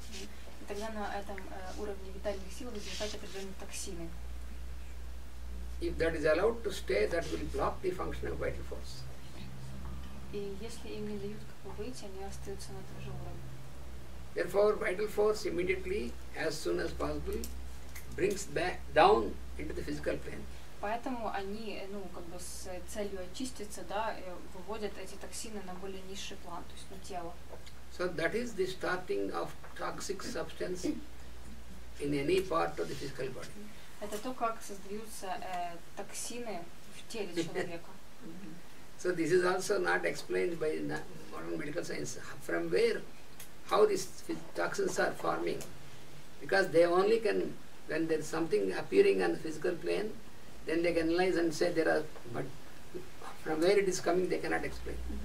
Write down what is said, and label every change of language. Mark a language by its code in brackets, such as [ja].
[ru] И тогда на этом уровне витальных сил возникают определенные токсины. [en] If that is allowed to stay, that will block the function of vital force. [ru] И если им не дают как выйти, они остаются на том же уровне. [en] Therefore, vital force immediately, as soon as possible, brings back down into the physical plane. [ru] Поэтому они, ну, как бы с целью очиститься, да, выводят эти токсины на более низший план, то есть на тело. [en] So that is the starting of toxic substance in any part of the physical body. [ru] Это то, как создаются токсины в теле человека. [en] So this is also not explained by modern medical science. From where, how these toxins are forming? Because they only can, when there is something appearing on the physical plane, then they can analyze and say there are, but from where it is coming, they cannot explain.